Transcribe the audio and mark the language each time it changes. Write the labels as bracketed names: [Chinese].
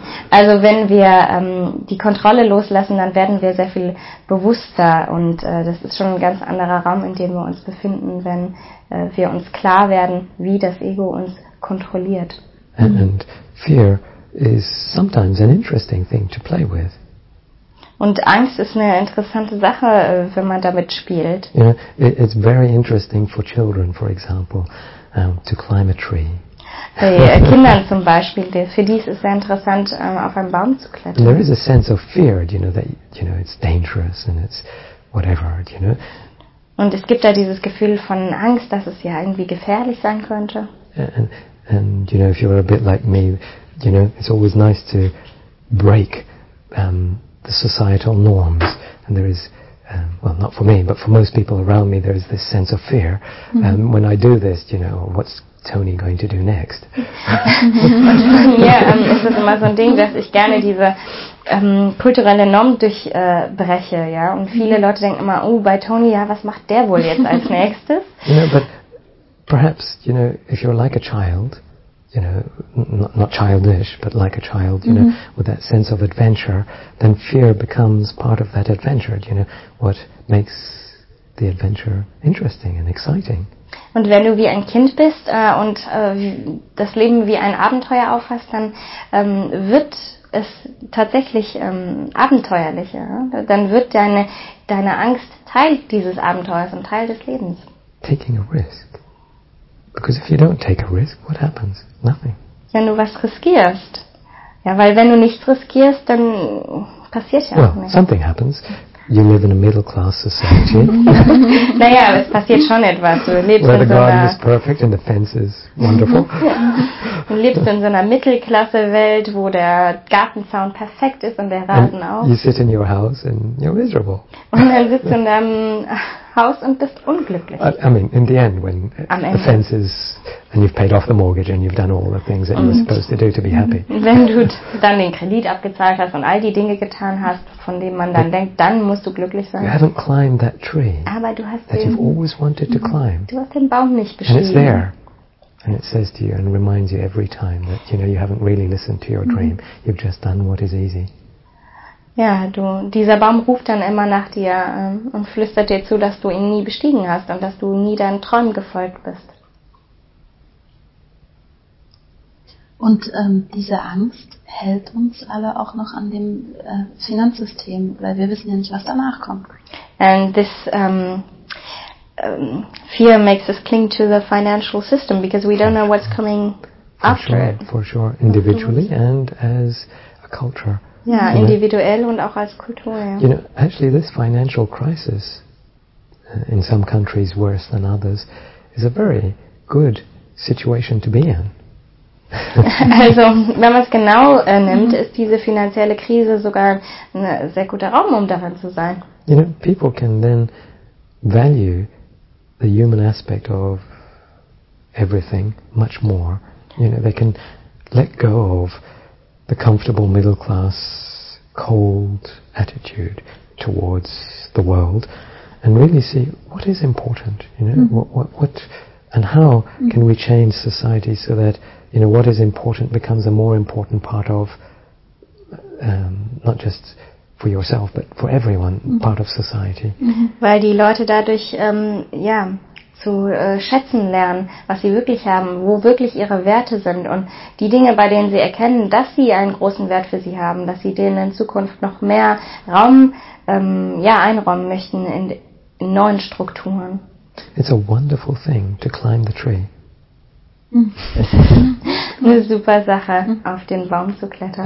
[German] Also wenn wir die Kontrolle loslassen, dann werden wir sehr viel bewusster und das ist schon ein ganz anderer Raum, in dem wir uns befinden, wenn wir uns klar werden, wie das Ego uns kontrolliert. [English] And fear is sometimes an interesting thing to play with. [German] Und Angst ist eine interessante Sache, wenn man damit spielt. [English] Yeah, it's very interesting for children, for example, to climb a tree. [German] Bei Kindern zum Beispiel, für die ist es sehr interessant, auf einen Baum zu klettern. [English] There is a sense of fear, you know, that you know it's dangerous and it's whatever, you know. [German] Und es gibt da dieses Gefühl von Angst, dass es ja irgendwie gefährlich sein könnte. [English] And you know, if you're a bit like me, you know, it's always nice to break the societal norms. And there is well, not for me, but for most people around me, there's this sense of fear. Mm-hmm. When I do this, you know, what's Tony going to do next? [German] Ja, es ist immer so ein Ding, dass ich gerne diese kulturelle Norm durchbreche, ja. Und viele Leute denken immer, oh, bei Tony, ja, was macht der wohl jetzt als nächstes? [English] You know, but perhaps, you know, if you're like a child, you know, not childish, but like a child, you mm-hmm. know, with that sense of adventure, then fear becomes part of that adventure, you know, what makes the adventure interesting and exciting. [German] Und wenn du wie ein Kind bist und das Leben wie ein Abenteuer auffasst, dann wird es tatsächlich abenteuerlicher. Dann wird deine Angst Teil dieses Abenteuers und Teil des Lebens. [English] Taking a risk. Because if you don't take a risk, what happens? Nothing. [German] Ja, nur was riskierst. Ja, weil wenn du nichts riskierst, dann passiert ja [English] well, [German] auch nichts. [English] Something happens. You live in a middle-class society. [German] Naja, es passiert schon etwas. Du lebst [English] where the [German] in so [English] garden is perfect and the fence is wonderful. [German] Du lebst in so einer Mittelklasse-Welt, wo der Gartenzaun perfekt ist und der Rasen [English] and [German] auch. [English] You sit in your house and you're miserable. [German] Und dann sitzt du in deinem Haus und bist unglücklich. [English] I mean, in the end, when [German] am [English] the [German] Ende. [English] Fence is, and you've paid off the mortgage and you've done all the things that you're supposed to do to be happy. [German] Wenn du dann den Kredit abgezahlt hast und all die Dinge getan hast, von denen man dann denkt, dann musst du glücklich sein. [English] You haven't climbed that tree. [German] Aber du hast [English] that [German] den, [English] you've always wanted to climb. [German] Du hast den Baum nicht beschrieben. [English] And it's there. And it says to you and reminds you every time that, you know, you haven't really listened to your dream. You've just done what is easy. [German] Ja, du, dieser Baum ruft dann immer nach dir und flüstert dir zu, dass du ihn nie bestiegen hast und dass du nie deinen Träumen gefolgt bist. Und diese Angst hält uns alle auch noch an dem Finanzsystem, weil wir wissen ja nicht, was danach kommt. [English] And this fear makes us cling to the financial system because we don't know what's coming after it. For sure, individually and as a culture. [German] Ja, you individuell know, und auch als Kultur, ja. [English] You know, actually this financial crisis in some countries worse than others is a very good situation to be in. [German] Also, wenn man es genau nimmt, ist diese finanzielle Krise sogar ein sehr guter Raum, um daran zu sein. [English] You know, people can then value the human aspect of everything much more. You know, they can let go of the comfortable middle class cold attitude towards the world and really see what is important, you know, what and how can we change society so that, you know, what is important becomes a more important part of not just for yourself but for everyone part of society. [German] Weil die Leute dadurch ja zu schätzen lernen, was sie wirklich haben, wo wirklich ihre Werte sind und die Dinge, bei denen sie erkennen, dass sie einen großen Wert für sie haben, dass sie denen in Zukunft noch mehr Raum ja, einräumen möchten in neuen Strukturen. [English] It's a wonderful thing to climb the tree. [German] Eine super Sache, auf den Baum zu klettern.